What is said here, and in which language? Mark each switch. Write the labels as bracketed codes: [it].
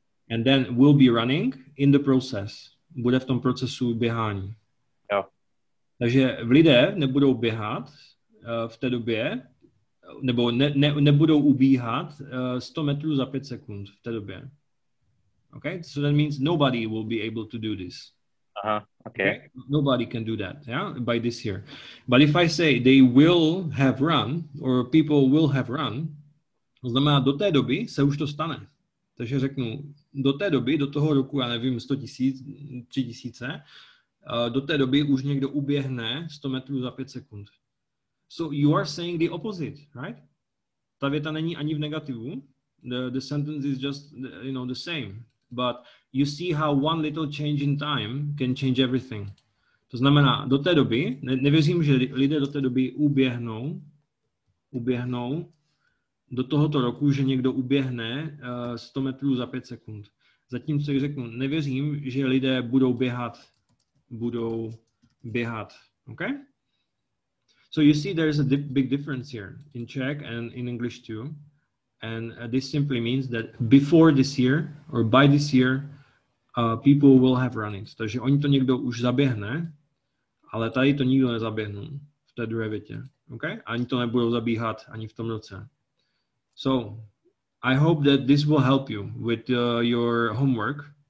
[en] And then will be running in the process. [cs] Bude v tom procesu běhání. Jo. Takže lidé nebudou běhat v té době, nebo nebudou ubíhat 100 metrů za 5 sekund v té době. [en] Okay? So that means nobody will be able to do this. Okay. Nobody can do that, yeah, by this year. But if I say they will have run, or people will have run, [cs] To znamená, do té doby se už to stane. Takže řeknu, do té doby, do toho roku, já nevím, 100 tisíc, 3 tisíce, do té doby už někdo uběhne 100 metrů za 5 sekund. [en] So you are saying the opposite, right? [cs] Ta věta není ani v negativu. [en] The sentence is just, you know, the same. But you see how one little change in time can change everything. [cs] To znamená, do té doby, nevěřím, že lidé do té doby uběhnou do tohoto roku, že někdo uběhne 100 metrů za 5 sekund. Zatímco, jak řeknu, nevěřím, že lidé budou běhat, okay? [en] So you see there is a big difference here in Czech and in English too. And this simply means that before this year or by this year, people will have run it. [cs] Takže oni to někdo už zaběhne, ale tady to nikdo nezaběhnou v té druhé větě, okay? Ani to nebudou zabíhat ani v tom roce. [en] So I hope that this will help you with your homework.